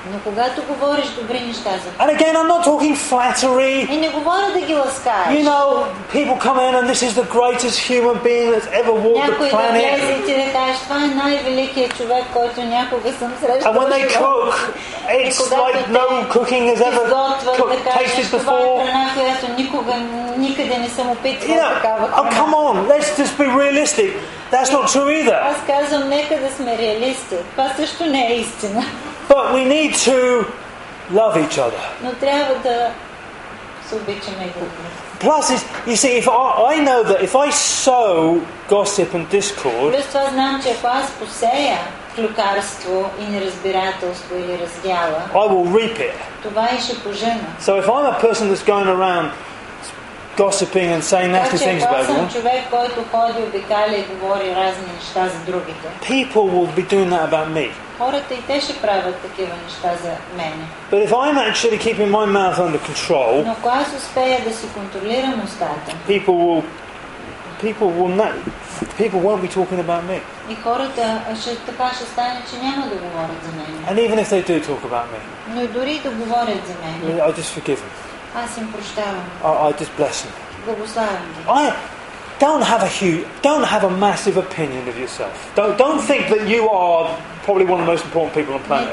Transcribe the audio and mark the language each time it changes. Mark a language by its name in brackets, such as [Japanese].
[Bulgarian] но когато говориш добри неща за. [English] And again, I'm not talking flattery. [Bulgarian] И не говоря да ги ласкаеш. [English] You know, people come in and this is the greatest human being that's ever walked the planet. [Bulgarian] Някой да влезе и ти да кажеш, това е най-великият човек, който някога съм срещал. [English] And when they cook, it's like no cooking has ever tasted before. [Bulgarian] Никъде не съм опитвал такава. [English] Oh, come on, let's just be realistic. That's not true either. [Bulgarian] Аз казвам, нека да сме реалисти. Това също не е истина. [English] But we need to love each other. [Bulgarian] Но трябва да се обичаме и другите. [English] Plus, you see, if I know that if I sow gossip and discord. [Bulgarian] Плюс това знам, че ако аз посея клюкарство и неразбирателство или раздяла. [English] I will reap it. [Bulgarian] Това и ще пожена. [English] So if I'm a person that's going around gossiping and saying nasty things about them. [Bulgarian] Човек, който ходи, обикаля и говори разни неща за другите. [English] People will be doing that about me. [Bulgarian] Хората и те ще правят такива неща за мене. [English] But if I'm actually keeping my mouth under control. [Bulgarian] Но ако аз успея да си контролирам устата. [English] People won't be talking about me. [Bulgarian] И хората ще така ще стане, че няма да говорят за мен. [English] And even if they do talk about me. [Bulgarian] Но и дори да говорят за мен. [English] I'll just forgive them. I just bless him. I don't have a massive opinion of yourself. Don't think that you are probably one of the most important people on the planet.